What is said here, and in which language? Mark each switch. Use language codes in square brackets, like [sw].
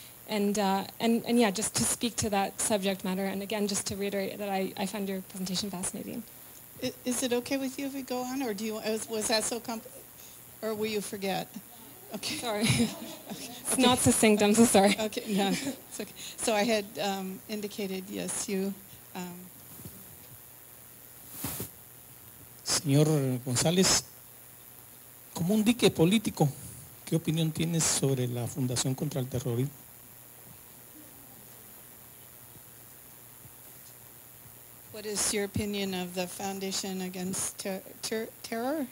[en] And yeah, just to speak to that subject matter, and again, just to reiterate that I found your presentation fascinating. Is it okay with you if we go on, or was that so complicated, or will you forget? Okay. Sorry. Okay. It's okay. Not succinct, I'm so sorry. Okay, no, it's okay. So I had indicated, yes, you. [es] Señor González, como un dique político, ¿qué opinión tienes sobre la Fundación contra el Terrorismo? [en] What is your opinion of the Foundation Against Terror?